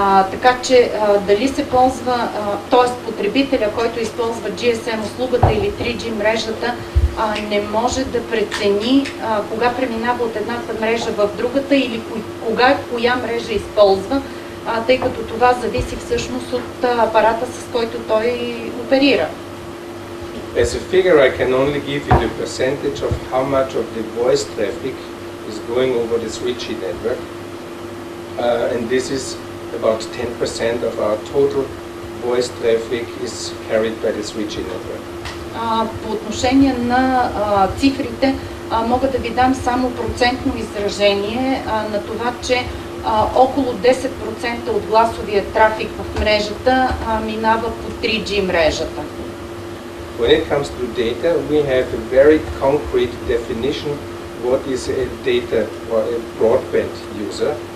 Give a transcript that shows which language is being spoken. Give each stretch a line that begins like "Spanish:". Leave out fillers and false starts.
Bulgarian: Така че дали се ползва, т.е. потребителя, който използва GSM услугата или 3G мрежата, не може да прецени кога преминава от едната мрежа в другата или кога коя мрежа използва, тъй като това зависи всъщност от апарата, с който той оперира.
English: As a figure, I can only give you the percentage of how much of the voice traffic is going over the 3G network. And this is about 10% of our total voice traffic is carried by the 3G network.
Bulgarian: По отношение на цифрите, мога да ви дам само процентно изражение на това, че около 10% от гласовия трафик в мрежата минава по 3G мрежата.
English: When it comes to data, we have a very concrete definition what is a data or a broadband user.